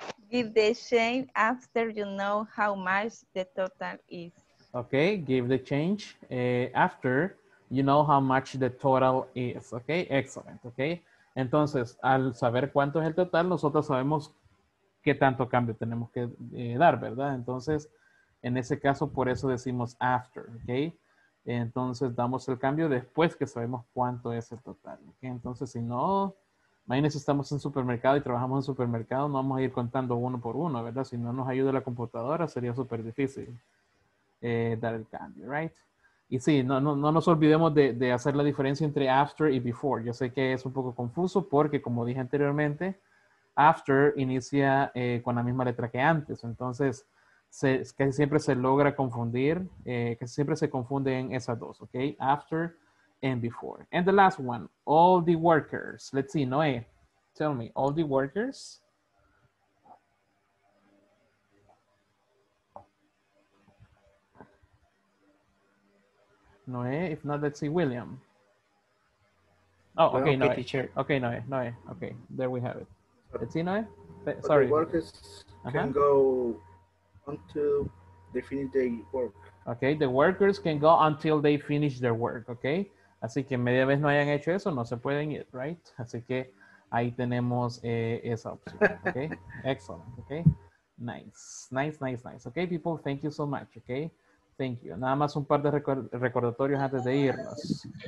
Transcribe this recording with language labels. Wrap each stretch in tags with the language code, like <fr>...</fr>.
<en>Give the change after you know how much the total is. Okay, give the change after you know how much the total is. Okay, excellent.</en> <es>Okay, entonces, al saber cuánto es el total, nosotros sabemos qué tanto cambio tenemos que dar, ¿verdad? Entonces, en ese caso, por eso decimos after. Okay, entonces damos el cambio después que sabemos cuánto es el total. Okay, entonces, si no, imagínense, estamos en supermercado y trabajamos en supermercado, no vamos a ir contando uno por uno, ¿verdad? Si no nos ayuda la computadora, sería súper difícil. Dar el cambio, right? Y sí, no nos olvidemos de hacer la diferencia entre after y before. Yo sé que es un poco confuso porque, como dije anteriormente, after inicia con la misma letra que antes. Entonces, casi siempre se logra confundir, casi siempre se confunden esas dos, ¿ok?</es> <en>After and before. And the last one, all the workers. Let's see, Noé, tell me, all the workers. Noé, if not, let's see William. Oh, okay, well, okay, teacher. Okay, Noé, okay, there we have it. Let's see, Noé, sorry. The workers can go until they finish their work. Okay, the workers can go until they finish their work, okay?</en> <es>Así que media vez no hayan hecho eso, no se pueden ir, right? Así que ahí tenemos esa opción, okay? Excellent, okay? Nice.</es> <en>Okay, people, thank you so much, okay? Thank you.</en> <es>Nada más un par de recordatorios antes de irnos.</es>